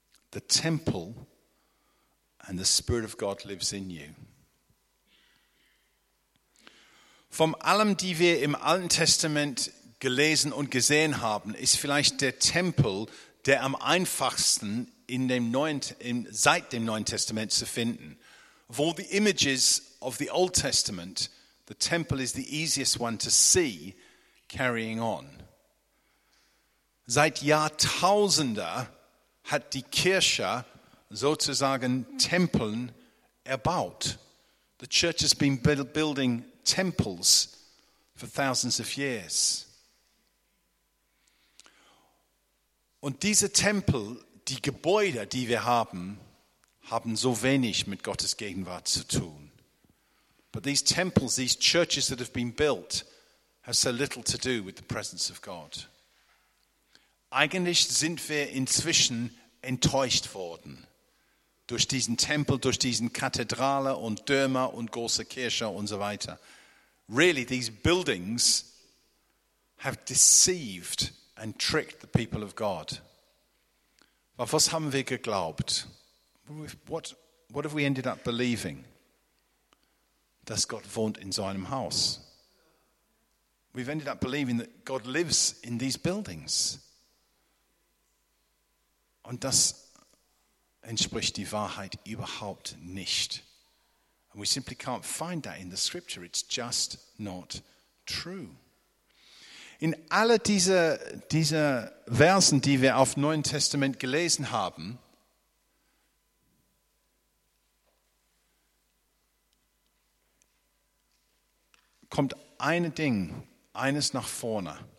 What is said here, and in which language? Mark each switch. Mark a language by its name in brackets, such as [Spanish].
[English] the temple and the Spirit of God lives in you. [German] Von allem, die wir im Alten Testament gelesen und gesehen haben, ist vielleicht der Tempel, der am einfachsten seit dem Neuen Testament zu finden. [English] Of all the images of the Old Testament, the temple is the easiest one to see carrying on. [German] Seit Jahrtausenden hat die Kirche sozusagen Tempeln erbaut. [English] The church has been building temples for thousands of years. [German] Und diese Tempel, die Gebäude, die wir haben, haben so wenig mit Gottes Gegenwart zu tun. [English] But these temples, these churches that have been built, have so little to do with the presence of God. [German] Eigentlich sind wir inzwischen enttäuscht worden durch diesen Tempel, durch diesen Kathedrale und Dürme und große Kirche und so weiter. [English] Really, these buildings have deceived and tricked the people of God. [German] Auf was haben wir geglaubt? [English] What have we ended up believing? [German] Dass Gott wohnt in seinem Haus. [English] We've ended up believing that God lives in these buildings. [German] Und das entspricht die Wahrheit überhaupt nicht. [English] And we simply can't find that in the scripture. It's just not true. [German] In all diese Versen, die wir auf Neuen Testament gelesen haben, kommt ein Ding, eines nach vorne.